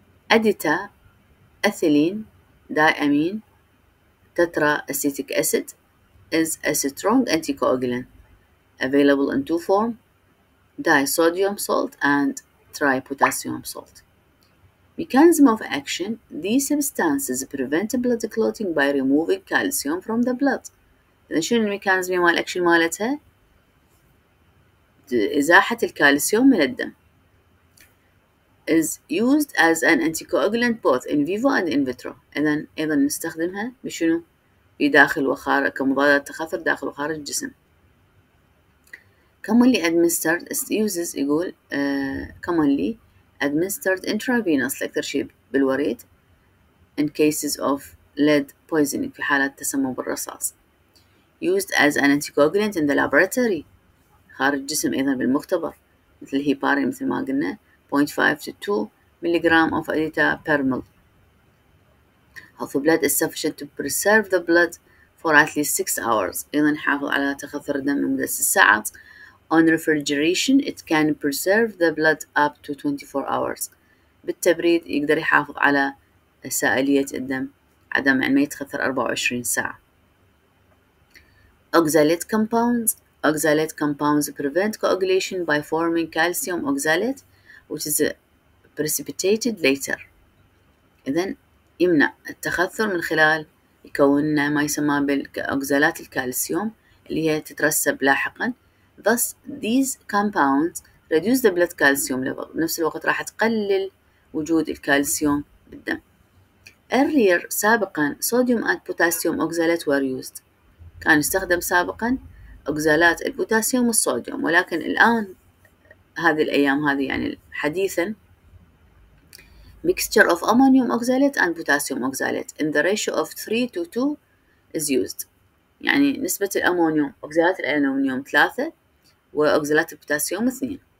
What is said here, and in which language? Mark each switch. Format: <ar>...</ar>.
<en>أديتا ethylene diamine tetra acetic acid is a strong anticoagulant available in two forms, disodium salt and tripotassium salt. Mechanism of action: these substances prevent blood clotting by removing calcium from the blood.</en> <ar>إذا شنو الميكانيزم مال أكشن مالتها؟ إزاحة الكالسيوم من الدم.</ar> <en>Is used as an anticoagulant both in vivo and in vitro.</en> <ar>إذا أيضا نستخدمها بشنو؟ بداخل وخارج كمضاد تخثر داخل وخارج الجسم.</ar> <en>Commonly administered uses يقول commonly administered intravenously</en> <ar>أكثر شيء بالوريد</ar> <en>in cases of lead poisoning</en> <ar>في حالة تسمم بالرصاص.</ar> <en>Used as an anticoagulant in the laboratory</en> <ar>خارج الجسم أيضا بالمختبر مثل الهيباري مثل ما قلنا</ar> <en>0.5 to 2 mg of ADITA per ml. Healthy blood is sufficient to preserve the blood for at least 6 hours.</en> <ar>أيضا نحافظ على تخثر الدم لمدة 6 ساعات.</ar> <en>On refrigeration, it can preserve the blood up to 24 hours.</en> <ar>بالتبريد يقدر يحافظ على سائلية الدم عدم ما يتخثر 24 ساعة.</ar> <en>Oxalate compounds. Oxalate compounds prevent coagulation by forming calcium oxalate, which is precipitated later.</en> <ar>إذن يمنع التخثر من خلال يكون ما يسمى بالأوكسالات الكالسيوم اللي هي تترسب لاحقاً.</ar> <en>Thus, these compounds reduce the blood calcium level.</en> <ar>بنفس الوقت راح تقلل وجود الكالسيوم بالدم.</ar> <en>Earlier, سابقاً, sodium and potassium oxalate were used.</en> <ar>كان يستخدم سابقاً أوكسالات البوتاسيوم والصوديوم، ولكن الآن هذه الأيام هذه يعني حديثاً</ar> <en>mixture of ammonium oxalate and potassium oxalate in the ratio of 3 to 2 is used.</en> <ar>يعني نسبة الأمونيوم أوكسالات الألومنيوم 3 وأوكسالات البوتاسيوم 2.</ar>